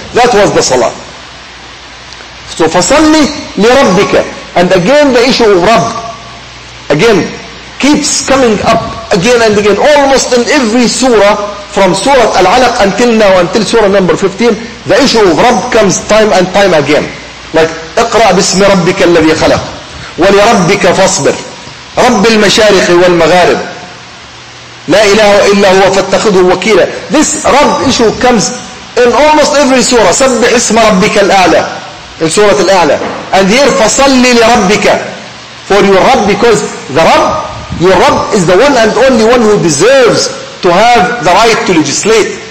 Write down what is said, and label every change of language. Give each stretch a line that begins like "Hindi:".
English: That was the salah. So,
Arabic: فَصَلِّ لِرَبِّكَ.
English: And again, the issue of Rabb, again, keeps coming up again and again, almost in every surah, from Surah Al-Alaq until now, until surah number 15, the issue of Rabb comes time and time again. Like,
Arabic: اقرأ بسم ربك الذي خلق ولربك فاصبر رب المشارق والمغارب لا إله إلا هو فاتخذه وكيلا.
English: This Rabb issue comes in almost every surah.
Arabic: سبح اسم ربك الأعلى.
English: In Surah Al-A'la. And here,
Arabic: فَصَلِّ لِرَبِّكَ.
English: For your Rabb, because the Rabb, your Rabb is the one and only one who deserves to have the right to legislate.